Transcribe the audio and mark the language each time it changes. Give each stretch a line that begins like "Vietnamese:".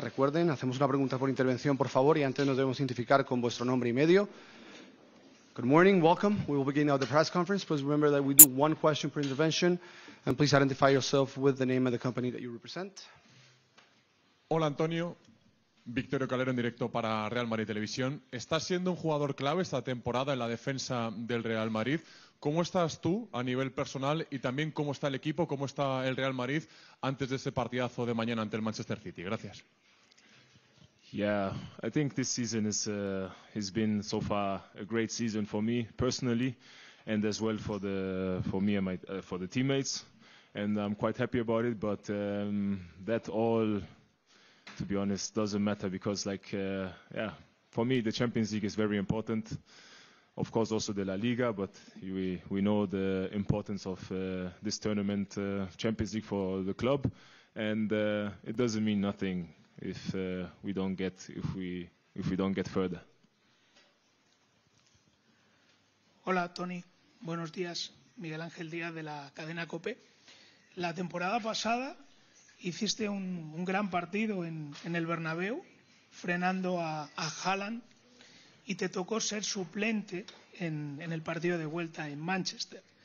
Spanish: Recuerden, hacemos una pregunta por intervención, por favor, y antes nos debemos identificar con vuestro nombre y medio.
English: Good morning, welcome. We will begin now the press conference. Please remember that we do one question per intervention, and please identify yourself with the name of the company that you represent.
Spanish: Hola, Antonio. Victorio Calero en directo para Real Madrid Televisión. Estás siendo un jugador clave esta temporada en la defensa del Real Madrid. ¿Cómo estás tú a nivel personal y también cómo está el equipo, cómo está el Real Madrid antes de ese partidazo de mañana ante el Manchester City? Gracias.
English: Yeah, I think this season has been so far a great season for me personally and as well for the teammates, and I'm quite happy about it, but that all, to be honest, doesn't matter because, like, yeah, for me the Champions League is very important. Of course, also the La Liga, but we know the importance of this tournament, Champions League, for the club, and it doesn't mean nothing if we don't get further.
Spanish: Hola, Tony. Buenos días, Miguel Ángel Díaz de la cadena COPE. La temporada pasada hiciste un gran partido en el Bernabéu, frenando a Haaland, y te tocó ser suplente en el partido de vuelta en Manchester.